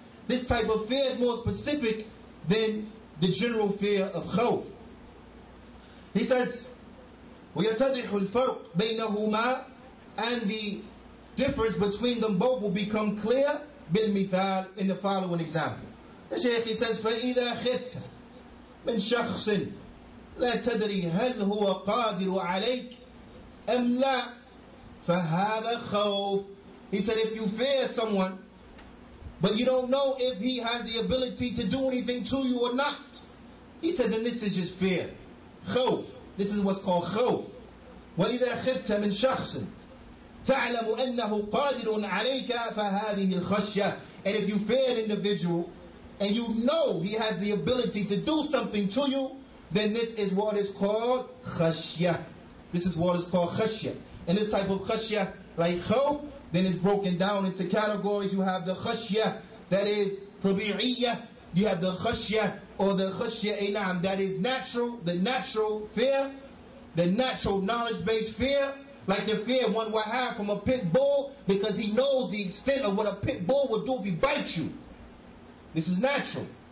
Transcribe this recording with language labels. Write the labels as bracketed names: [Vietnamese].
[English] This type of fear is more specific than the general fear of khawf. He says, وَيَتَضِحُ الْفَرْقُ بَيْنَهُمَا. And the difference between them both will become clear بِالْمِثَالِ, in the following example. [Arabic] The Shaykh, he says, فَإِذَا خِتَ مِنْ شَخْصٍ لا تدري هل هو قادر عليك أم لا فهذا خوف. [English] He said, if you fear someone, but you don't know if he has the ability to do anything to you or not, he said, then this is just fear, خوف. This is what's called خوف. [Arabic] وإذا خفت من شخص تعلم أنه قادر عليك فهذه الخشية. [English] And if you fear an individual and you know he has the ability to do something to you, then this is what is called khashya. This is what is called khashya. And this type of khashya, like khawf, then it's broken down into categories. You have the khashya that is tabi'iyya. You have the khashya, or the khashya inam, that is natural, the natural fear, the natural knowledge-based fear, like the fear one would have from a pit bull because he knows the extent of what a pit bull would do if he bites you. This is natural.